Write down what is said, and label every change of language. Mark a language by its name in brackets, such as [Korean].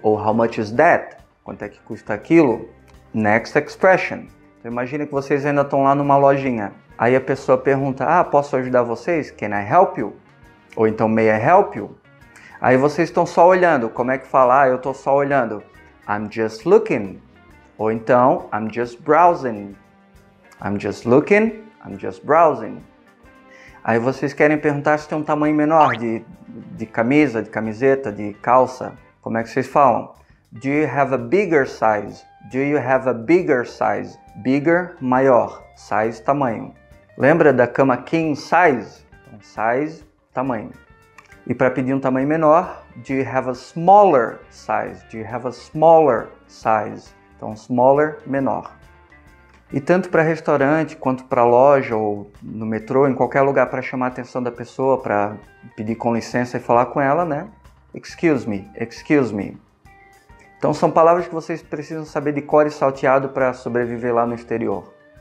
[English] Ou how much is that? [Portuguese] Quanto é que custa aquilo? [English] Next expression. [Portuguese] Então, imagine que vocês ainda estão lá numa lojinha. Aí a pessoa pergunta, ah, posso ajudar vocês? [English] Can I help you? [Portuguese] Ou então, [English] may I help you? [Portuguese] Aí vocês estão só olhando. Como é que fala? Ah, eu estou só olhando. [English] I'm just looking. Ou então, I'm just browsing. I'm just looking, I'm just browsing. [Portuguese] Aí vocês querem perguntar se tem um tamanho menor de camisa, de camiseta, de calça. Como é que vocês falam? [English] Do you have a bigger size? Do you have a bigger size? [Portuguese] Bigger, maior. Size, tamanho. Lembra da cama king size? Então, size, tamanho. E para pedir um tamanho menor, [English] do you have a smaller size? Do you have a smaller size? [Portuguese] Então, smaller, menor. E tanto para restaurante, quanto para loja, ou no metrô, em qualquer lugar para chamar a atenção da pessoa, para pedir com licença e falar com ela, né? [English] Excuse me, excuse me. [Portuguese] Então são palavras que vocês precisam saber de cor e salteado para sobreviver lá no exterior.